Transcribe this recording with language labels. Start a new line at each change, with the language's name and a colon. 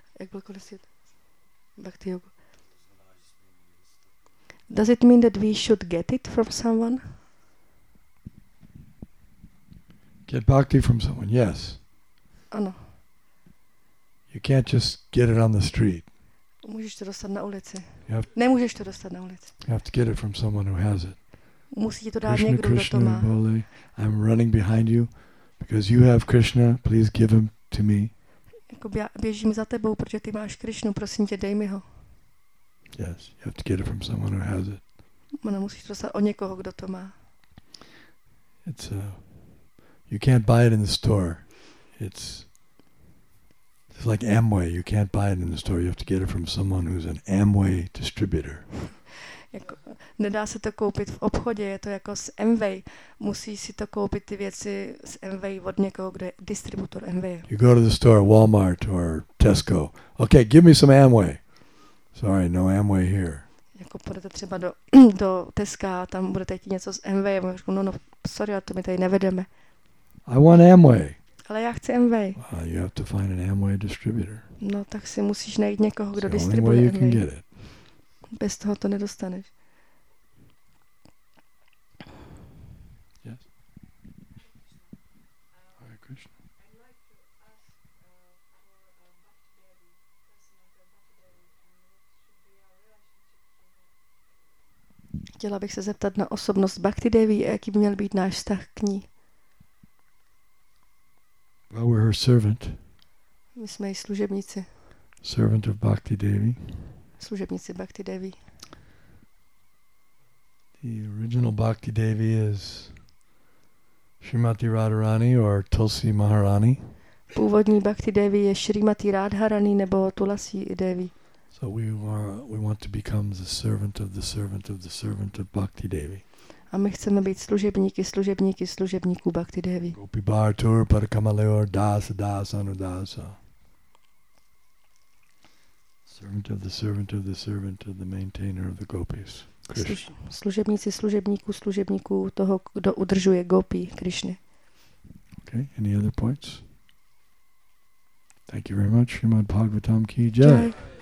English: Bhakti yoga. Does it mean that we should get it from someone? Get bhakti from someone, yes. Oh, no. You can't just get it on the street.
Czech: Můžeš to dostat na ulici. Nemůžeš to dostat na ulici.
English: You have to get it from someone who has it.
Czech: Musí ti to dát někdo, kdo to má.
English: Bole, I'm running behind you because you have Krishna, please give him to me.
Czech: Jako běžím za tebou, protože ty máš Krishnu, prosím tě, dej mi ho.
English: Yes, you have to get it from someone who has it.
Czech: Ona musíš to dostat od někoho, kdo to má.
English: It's you can't buy it in the store. It's It's like Amway. You can't buy it in the store. You have to get it from someone who's an Amway distributor.
Czech: Jako, nedá se to koupit v obchodě, je to jako z Amway. Musí si to koupit ty věci z Amway od někoho, kdo je distributor Amway.
English: You go to the store, Walmart or Tesco. Okay, give me some Amway. Sorry, no Amway here.
Czech: Jako půjdete třeba do Teska a tam budete jít něco z Amway. A řeknu, no, sorry, ale to my tady nevedeme.
English: I want Amway.
Czech: Ale já chci Amway.
English: Well, you have to find an Amway distributor.
Czech: No, tak si musíš najít někoho, kdo distribuje
English: Amway. Can get it.
Czech: Bez toho to nedostaneš.
English: Yes. Hare Krishna.
Czech: Chtěla bych se zeptat na osobnost Bhakti Devi, jaký by měl být náš vztah k ní.
English: Well, we're her servant.
Czech: My jsme její služebníci.
English: Servant of Bhakti Devi.
Czech: Služebníci Bhakti Devi.
English: The original Bhakti Devi is Srimati Radharani or Tulsi Maharani.
Czech: Původní Bhakti Devi je Srimati Radharani nebo Tulasi Devi.
English: So we want to become the servant of the servant of the servant of Bhakti Devi.
Czech: A my chceme být služebníky, služebníky, služebníků Bhakti Devi.
Sanskrit: Gopi Bhar Tur Par Kamaleor Dasa Dasa Anudasa.
English: Servant of the servant of the servant of the maintainer of the gopis, Krishna.
Czech: Služebníci služebníků, služebníků toho, kdo udržuje gopi, Krishna.
English: Okay, any other points? Thank you very much, Srimad Bhagavatam Ki Jai.